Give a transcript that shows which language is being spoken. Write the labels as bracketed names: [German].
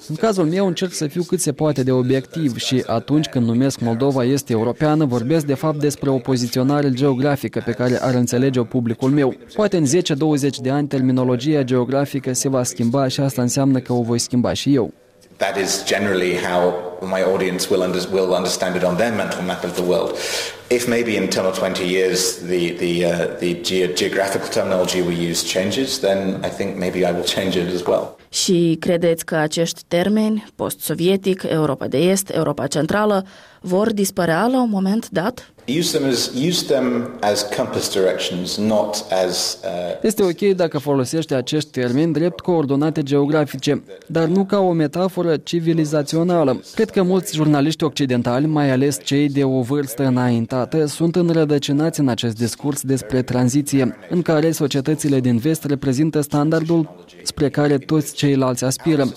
[Romanian] În cazul meu încerc să fiu cât se poate de obiectiv și atunci când numesc Moldova est-europeană vorbesc de fapt despre o poziționare geografică pe care ar înțelege-o publicul meu. Poate în 10-20 de ani terminologia geografică se va schimba și asta înseamnă că o voi schimba și eu. [English] That is generally how my audience will understand it on their mental map of the world. If maybe in 10 or 20 years the geographical terminology we use changes, then I think maybe I will change it as well. [Romanian] Și credeți că acești termeni, post-sovietic, Europa de Est, Europa Centrală, vor dispărea la un moment dat? [English] Use them as compass directions, not as. [Romanian] Este ok dacă folosești acești termeni drept coordonate geografice, dar nu ca o metaforă civilizațională. Cred că mulți jurnaliști occidentali, mai ales cei de o vârstă înaintată, sunt înrădăcinați în acest discurs despre tranziție, în care societățile din vest reprezintă standardul spre care toți ceilalți aspiră.